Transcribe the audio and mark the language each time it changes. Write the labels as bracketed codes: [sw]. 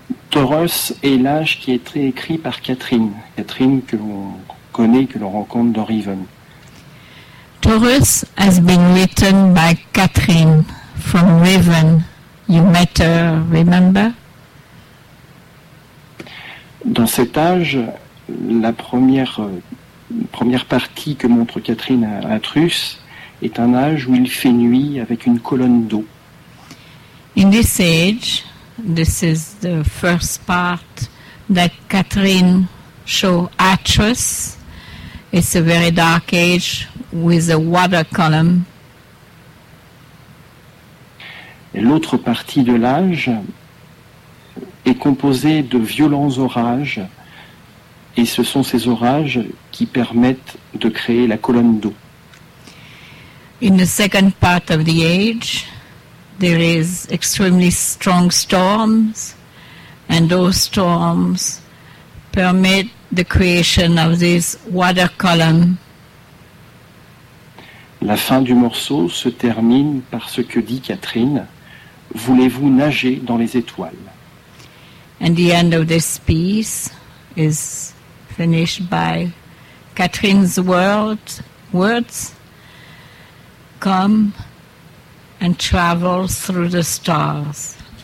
[fr] Taurus est l'âge qui est écrit par Catherine. Catherine que l'on connaît, que l'on rencontre dans Riven. [en] Taurus has been written by Catherine from Riven. You met her, remember? [fr] Dans cet âge, la première partie que montre Catherine à Truss est un âge où il fait nuit avec une colonne d'eau. [en] In this age, this is the first part that Catherine show at Truss. It's a very dark age with a water column. [fr] Et l'autre partie de l'âge est composée de violents orages, et ce sont ces orages qui permettent de créer la colonne d'eau. [en] In the second part of the age, there is extremely strong storms, and those storms permit the creation of this water column. [fr] La fin du morceau se termine par ce que dit Catherine. Voulez-vous nager dans les étoiles? [en] And the end of this piece is finished by Catherine's words. Come and travel through the stars.